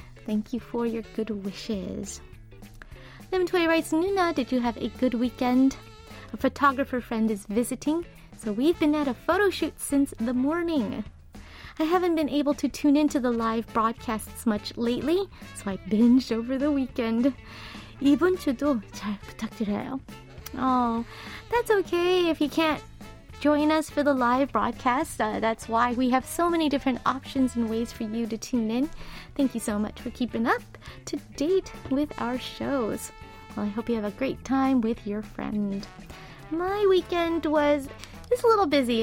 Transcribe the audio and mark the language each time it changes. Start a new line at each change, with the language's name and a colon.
English: Thank you for your good wishes. Lim Tui writes, Nuna, did you have a good weekend? A photographer friend is visiting, so we've been at a photo shoot since the morning. I haven't been able to tune into the live broadcasts much lately, so I binged over the weekend.
Korean: 이번 주도 잘 부탁드려요.
English: Oh, that's okay if you can't join us for the live broadcast. That's why we have so many different options and ways for you to tune in. Thank you so much for keeping up to date with our shows. Well, I hope you have a great time with your friend. My weekend was just a little busy.